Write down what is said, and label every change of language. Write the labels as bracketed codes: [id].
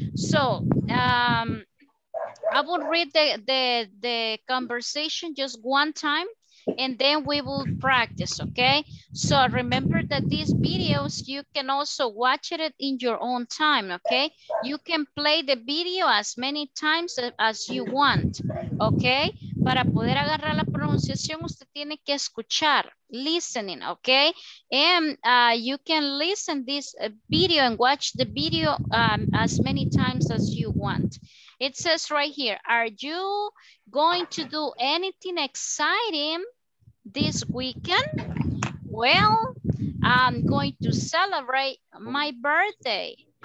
[en] So, I will read the conversation just one time. And then we will practice, okay? So remember that these videos, you can also watch it in your own time, okay? You can play the video as many times as you want, okay? [es] Para poder agarrar la pronunciación, usted tiene que escuchar, listening, okay? [en] And you can listen this video and watch the video as many times as you want. It says right here, are you going to do anything exciting this weekend? Well, I'm going to celebrate my birthday.